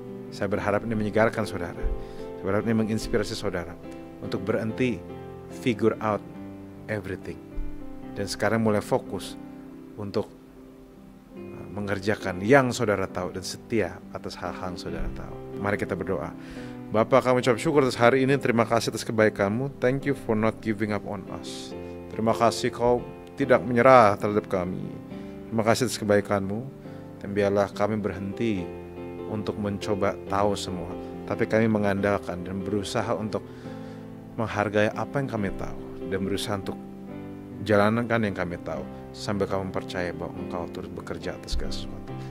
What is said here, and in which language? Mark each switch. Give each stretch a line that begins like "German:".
Indonesian: Saya berharap ini menyegarkan saudara. Saya berharap ini menginspirasi saudara untuk berhenti
English: figure out everything.
Indonesian: Dan sekarang mulai fokus untuk mengerjakan yang saudara tahu dan setia atas hal-hal yang saudara tahu. Mari kita berdoa. Bapa, kami ucap syukur atas hari ini. Terima kasih atas kebaikan-Mu.
English: Thank you for not giving up on us.
Indonesian: Terima kasih Kau tidak menyerah terhadap kami. Terima kasih atas kebaikan-Mu. Dan biarlah kami berhenti untuk mencoba tahu semua, tapi kami mengandalkan dan berusaha untuk menghargai apa yang kami tahu dan berusaha untuk jalankan yang kami tahu sampai kami percaya bahwa Engkau turut bekerja atas segala sesuatu.